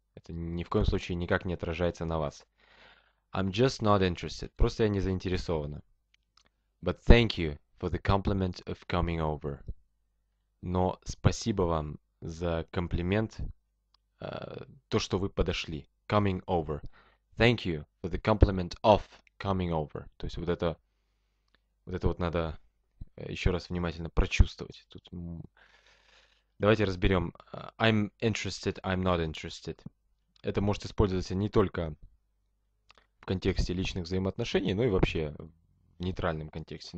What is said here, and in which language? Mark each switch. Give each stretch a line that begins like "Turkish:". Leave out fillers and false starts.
Russian: Это ни в коем случае никак не отражается на вас.
English: I'm just not interested.
Russian: Просто я не заинтересована.
English: But thank you for the compliment of coming over.
Russian: Но спасибо вам за комплимент, то, что вы подошли.
English: Coming over. Thank you for the compliment of coming over.
Russian: То есть вот это вот надо еще раз внимательно прочувствовать. Тут... Давайте разберем.
English: I'm interested, I'm not interested.
Russian: Это может использоваться не только в контексте личных взаимоотношений, но и вообще в нейтральном контексте.